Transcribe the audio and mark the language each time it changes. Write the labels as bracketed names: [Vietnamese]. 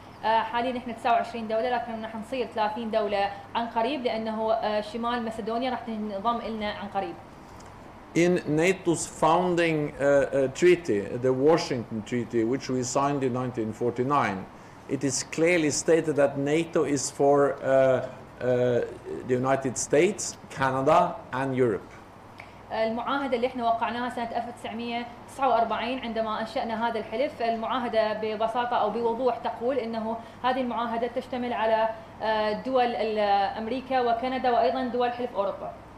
[Arabic] حاليا نحن 29 دولة لكن نحن نصير 30 دولة عن قريب لأنه شمال مسدونيا راح تنضم إلنا عن قريب. [English] In NATO's founding treaty, the Washington Treaty, which we signed in 1949, it is clearly stated that NATO is for the United States, Canada, and Europe. [Arabic] المعاهدة اللي احنا وقعناها سنة 1949 عندما أنشأنا هذا الحلف المعاهدة ببساطة أو بوضوح تقول إنه هذه المعاهدة تشتمل على دول أمريكا وكندا وأيضا دول حلف أوروبا.